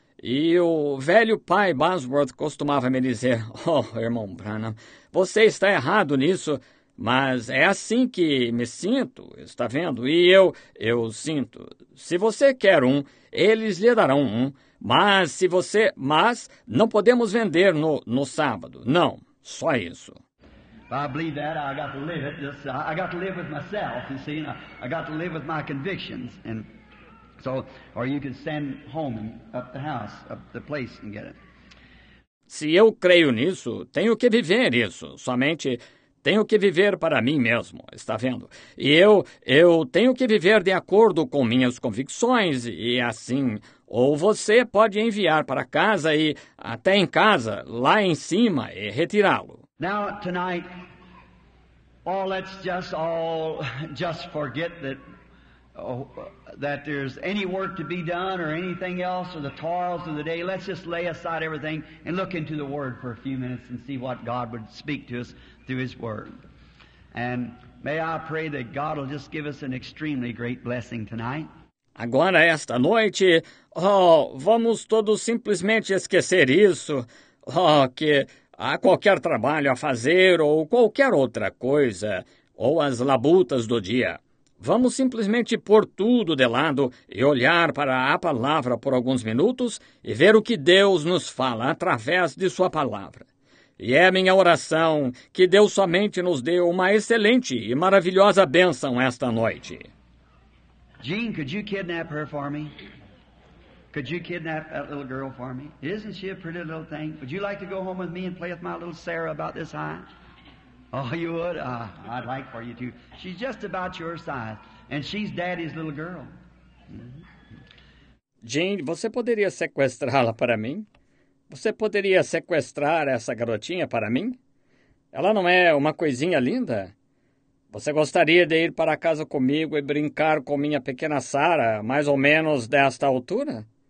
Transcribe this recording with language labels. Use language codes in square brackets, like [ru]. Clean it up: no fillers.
[pt] E o velho pai Bosworth costumava me dizer, "Oh, irmão Branham, você está errado nisso, mas é assim que me sinto, está vendo? E eu sinto, se você quer um, eles lhe darão um, mas não podemos vender no sábado, não, só isso." [en] I believe that, I got to live it, just, I got to live with myself, you see, I got to live with my convictions, and so, or you can send home and up the house, up the place and get it. [pt] Se eu creio nisso, tenho que viver isso. Somente tenho que viver para mim mesmo, está vendo? E eu tenho que viver de acordo com minhas convicções e assim. Ou você pode enviar para casa e até em casa, lá em cima, e retirá-lo. [en] Now, tonight, let's just all just forget that. Oh, that there's any work to be done or anything else or the toils of the day, let's just lay aside everything and look into the Word for a few minutes and see what God would speak to us through His Word. And may I pray that God will just give us an extremely great blessing tonight. [pt] Agora, esta noite, vamos todos simplesmente esquecer isso, que há qualquer trabalho a fazer ou qualquer outra coisa, ou as labutas do dia. Vamos simplesmente pôr tudo de lado e olhar para a palavra por alguns minutos e ver o que Deus nos fala através de sua palavra. E é minha oração que Deus somente nos dê uma excelente e maravilhosa bênção esta noite. [en] Gene, could you kidnap her for me? Could you kidnap that little girl for me? Isn't she a pretty little thing? Would you like to go home with me and play with my little Sarah about this high? Oh, you would? I'd like for you to. She's just about your size, and she's daddy's little girl. [pt] Gene, você poderia sequestrá-la para mim? Você poderia sequestrar essa garotinha para mim? Ela não é uma coisinha linda? Você gostaria de ir para casa comigo e brincar com minha pequena Sarah, mais ou menos desta altura?